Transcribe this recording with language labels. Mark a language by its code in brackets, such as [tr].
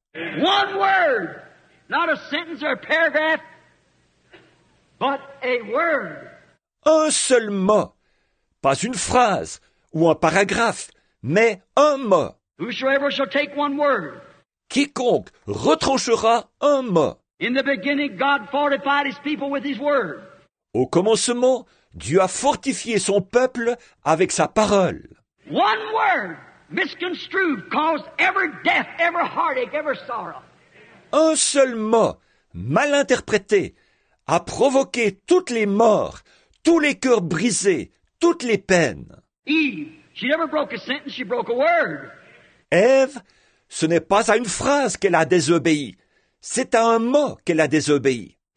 [en] One word, not a sentence or a paragraph, but a word. [fr] Un seul mot, pas une phrase ou un paragraphe, mais un mot. [en] Whosoever shall take one word. [fr] Quiconque retranchera un mot. [en] In the beginning, God fortified his people with his word. [fr] Au commencement, Dieu a fortifié son peuple avec sa parole. [en] One word misconstrued caused every death, every heartache, every sorrow. [fr] Un seul mot mal interprété a provoqué toutes les morts, tous les cœurs brisés, toutes les peines. [en] Eve, she never broke a sentence, she broke a word. [fr] Ève, ce n'est pas à une phrase qu'elle a désobéi. C'est à un mot qu'elle a désobéi.